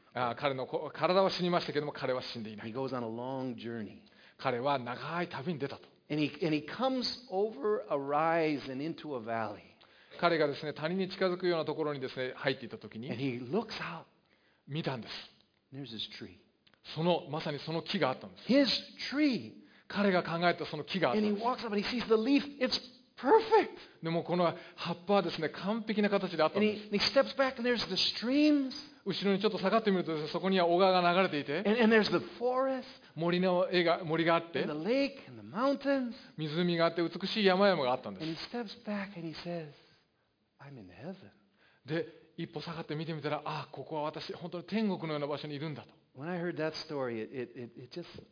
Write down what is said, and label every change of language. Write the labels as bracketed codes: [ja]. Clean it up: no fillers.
[ja] あ、彼の体は死にましたけれども、彼は死んでいない。 [en] He goes on a long journey. [ja] 彼は長い旅に出たと。 [en] And he comes over a rise and into a valley. [ja] 彼がですね谷に近づくようなところにですね入っていたときに。 [en] And he looks out. [ja] 見たんです。 [en] There's his tree. [ja] そのまさにその木があったんです。 [en] His tree. [ja] 彼が考えたその木があったんです。 [en] And he walks up and he sees the leaf. It's perfect. [ja] でもこの葉っぱはですね、完璧な形であったんです。 [en] And he steps back and there's the streams. [ja] 後ろにちょっと下がってみるとですね、そこには小川が流れていて。 [en] And there's the forest. [ja] 森があって。 [en] And the lake and the mountains. [ja] 湖があって、美しい山々があったんです。 [en] And he steps back and he says, I'm in heaven. [ja] で、一歩下がって見てみたら、ああ、ここは私、本当に天国のような場所にいるんだと。 [en] When I heard that story, it just, yeah.